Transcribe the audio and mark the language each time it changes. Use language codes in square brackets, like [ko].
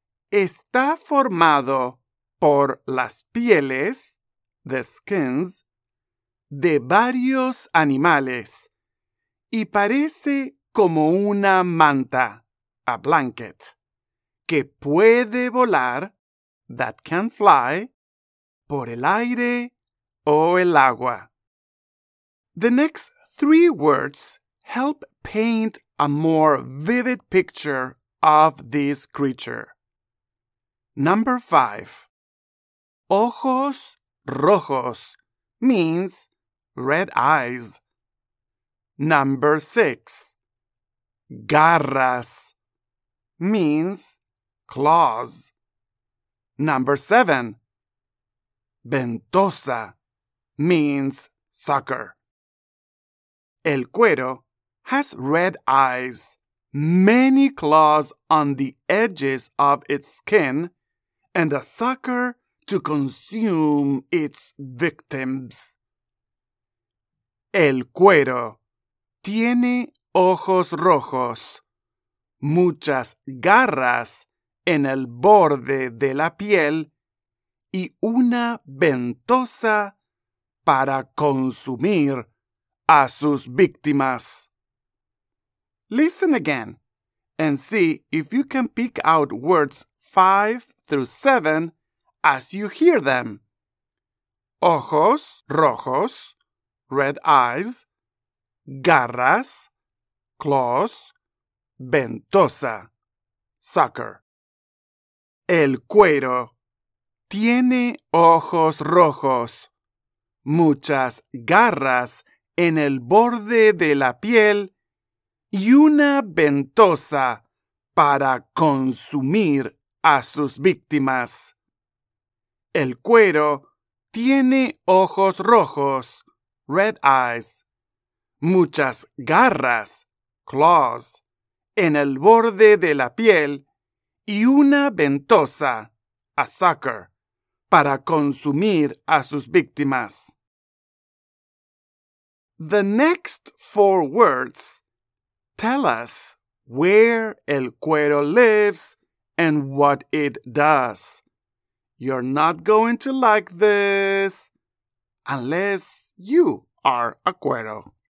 [es] está formado por las pieles, the skins, de varios animales y parece como una manta, a blanket, que puede volar, that can fly, por el aire o el agua. [en] The next three words help paint a more vivid picture of this creature. Number 5. Ojos rojos means red eyes. Number 6. Garras means claws. Number 7. Ventosa means sucker. El cuero has red eyes, many claws on the edges of its skin, and a sucker to consume its victims. [es] El cuero tiene ojos rojos, muchas garras en el borde de la piel, y una ventosa para consumir a sus víctimas. [en] Listen again and see if you can pick out words 5 through 7 as you hear them. Ojos rojos, red eyes, garras, claws, ventosa, sucker. [es] El cuero tiene ojos rojos, muchas garras en el borde de la piel y una ventosa para consumir a sus víctimas. El cuero tiene ojos rojos, red eyes, muchas garras, claws, en el borde de la piel y una ventosa, a sucker, para consumir a sus víctimas. [en] The next four words tell us where el cuero lives and what it does. You're not going to like this unless you are a cuero.